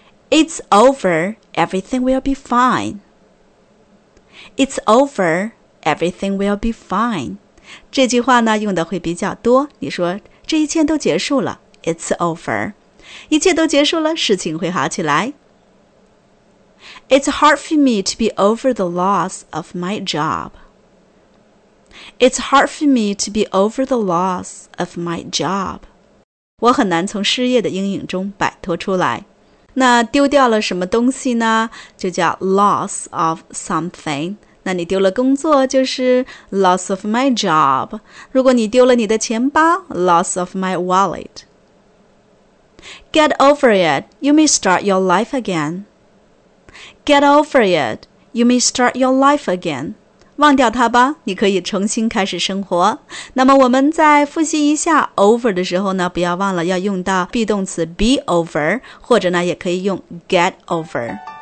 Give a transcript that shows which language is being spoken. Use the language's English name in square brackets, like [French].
[English] It's over, everything will be fine. It's over, everything will be fine. [Chinese] 这句话呢，用的会比较多。你说，这一切都结束了。 [English] It's over. [Chinese] 一切都结束了，事情会好起来。 [English] It's hard for me to be over the loss of my job. It's hard for me to be over the loss of my job. [Chinese] 我很难从失业的阴影中摆脱出来。那丢掉了什么东西呢？就叫 loss of something。那你丢了工作就是 loss of my job。如果你丢了你的钱包， loss of my wallet。 [English] Get over it, you may start your life again. Get over it, you may start your life again. [Chinese] 忘掉它吧，你可以重新开始生活。那么我们再复习一下 over 的时候呢，不要忘了要用到 be 动词 be over, 或者呢也可以用 get over。